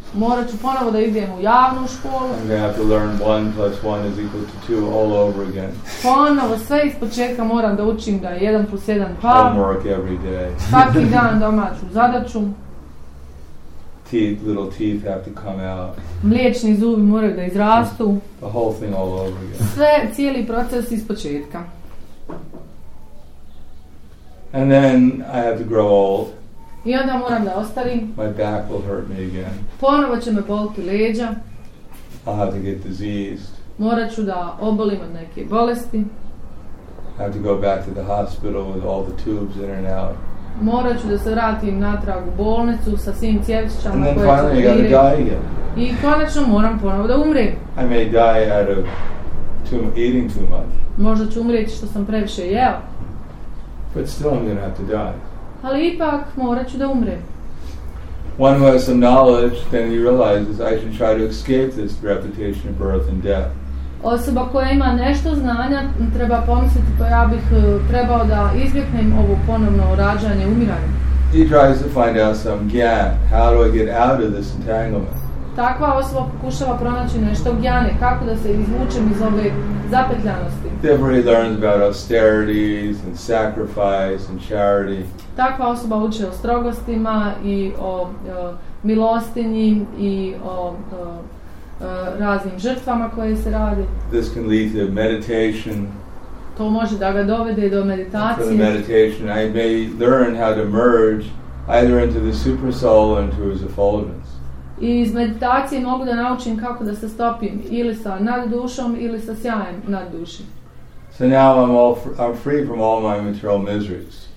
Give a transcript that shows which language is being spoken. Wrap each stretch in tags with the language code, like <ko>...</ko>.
<hr>Morat ću ponovo da idem u javnu školu.</hr> <en>I'm going to have to learn 1 + 1 = 2 all over again.</en> <hr>Ponovo sve iz početka moram da učim da je 1 + 1 pa.</hr> <en>Homework every day.</en> <hr>Svaki dan domaću zadaću.</hr> <en>Teeth, little teeth have to come out.</en> <hr>Mliječni zubi moraju da izrastu.</hr> <en>The whole thing all over again.</en> <hr>Sve, cijeli proces iz početka.</hr> <en>And then I have to grow old.</en> <hr>I onda moram da ostarim.</hr> <en>My back will hurt me again.</en> <hr>Ponovo će me boliti leđa.</hr> <en>I'll have to get diseased.</en> <hr>Morat ću da obolim od neke bolesti.</hr> <en>I have to go back to the hospital with all the tubes in and out.</en> <hr>Morat ću da se vratim natrag u bolnicu sa svim cjevićama koje će virati.</hr> <en>And then finally I gotta die again.</en> <hr>I konačno moram ponovo da umrem.</hr> <en>I may die out of eating too much.</en> <hr>Možda ću umrijeti što sam previše jeo.</hr> <en>But still I'm gonna have to die.</en> <hr>Ali ipak morat ću da umrem.</hr> <en>One who has some knowledge, then he realizes I should try to escape this repetition of birth and death.</en> <hr>Osoba koja ima nešto znanja treba pomisliti pa ja bih trebao da izbjegnem ovo ponovno rađanje, umiranje.</hr> <en>He tries to find out some gyan. How do I get out of this entanglement?</en> <hr>Takva osoba pokušava pronaći nešto gyane, kako da se izvučem iz ove zapetljanosti.</hr> <en>Therefore he learns about austerities and sacrifice and charity.</en> <hr>Takva osoba uči o strogostima i o milostinji i o raznim žrtvama koje se radi.</hr> <en>This can lead to meditation.</en> <hr>To može da ga dovede do meditacije.</hr> <en>And for the meditation I may learn how to merge either into the super soul or into his effulgence.</en> <hr>I iz meditacije mogu da naučim kako da se stopim ili sa naddušom ili sa sjajem nadduši.</hr> <en>So now I'm free from all my material miseries.</en>